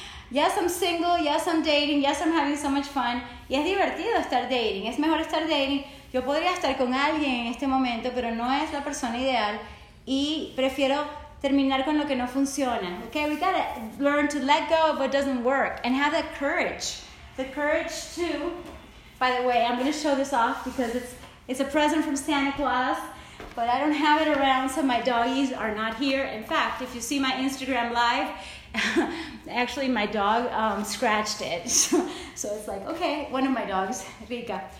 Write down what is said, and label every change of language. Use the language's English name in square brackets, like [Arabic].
[English] Yes, I'm single, yes, I'm dating, yes, I'm having so much fun. [Spanish] Y es divertido estar dating, es mejor estar dating. Yo podría estar con alguien en este momento, pero no es la persona ideal y prefiero terminar con lo que no funciona. [English] Okay, we gotta learn to let go of what doesn't work and have the courage to, by the way, I'm gonna show this off because it's a present from Santa Claus, but I don't have it around, so my doggies are not here. In fact, if you see my Instagram live, actually my dog scratched it, so it's like, okay, one of my dogs, Rika.